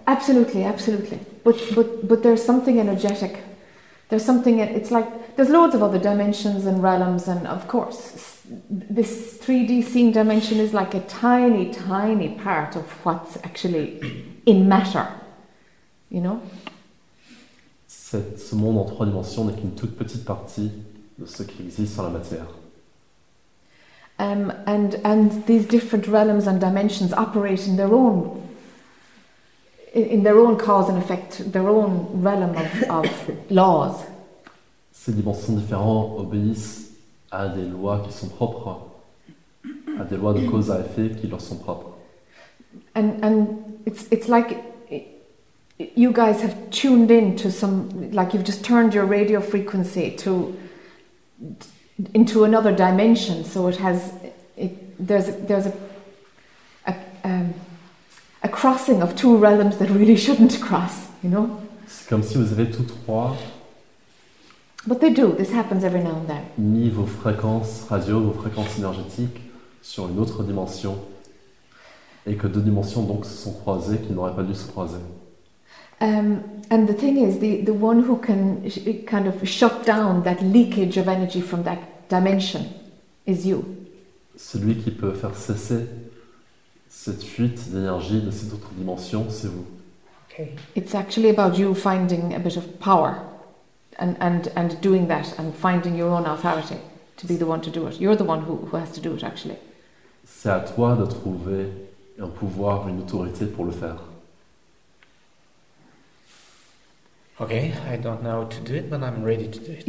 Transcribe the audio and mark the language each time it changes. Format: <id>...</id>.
<en>Absolutely. But there's something energetic. There's something. It's like there's loads of other dimensions and realms, and of course, this 3D seeing dimension is like a tiny, tiny part of what's actually in matter. You know.</en> <fr>Ce monde en trois dimensions n'est qu'une toute petite partie de ce qui existe en la matière.</fr> <en>And these different realms and dimensions operate in their own cause and effect, their own realm of laws.</en> <fr>Ces dimensions différentes obéissent à des lois qui sont propres, à des lois de cause à effet qui leur sont propres.</fr> <en>And it's like you guys have tuned in to some, like you've just turned your radio frequency to. Into another dimension, so it has, there's a crossing of two realms that really shouldn't cross, you know.</en> <fr>C'est comme si vous avez tous trois.</fr> <en>But they do. This happens every now and then.</en> <fr>Mis vos fréquences radio, vos fréquences énergétiques sur une autre dimension, et que deux dimensions donc se sont croisées qui n'auraient pas dû se croiser.</fr> <en>And the thing is, the one who can kind of shut down that leakage of energy from that dimension is you.</en> <fr>Celui qui peut faire cesser cette fuite d'énergie de cette autre dimension, c'est vous.</fr> <en>Okay. It's actually about you finding a bit of power and doing that and finding your own authority to be the one to do it. You're the one who has to do it, actually.</en> <fr>C'est à toi de trouver un pouvoir, une autorité pour le faire.</fr> <en>Okay, I don't know how to do it, but I'm ready to do it.</en>